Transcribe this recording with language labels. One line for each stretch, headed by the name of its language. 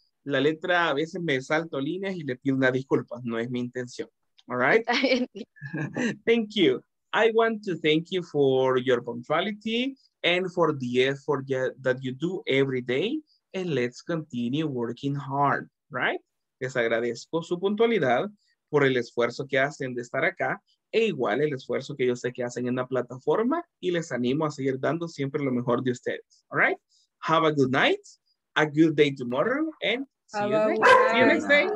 Spanish: La letra, a veces me salto líneas y le pido una disculpa. No es mi intención. All right? Thank you.
English: I want to thank you for your punctuality and for the effort that you do every day. And let's continue working hard, right?
Spanish: Les agradezco su puntualidad por el esfuerzo que hacen de estar acá e igual el esfuerzo que yo sé que hacen en la plataforma y les animo a seguir dando siempre lo mejor de ustedes, all right?
English: Have a good night, a good day tomorrow, and see you next day.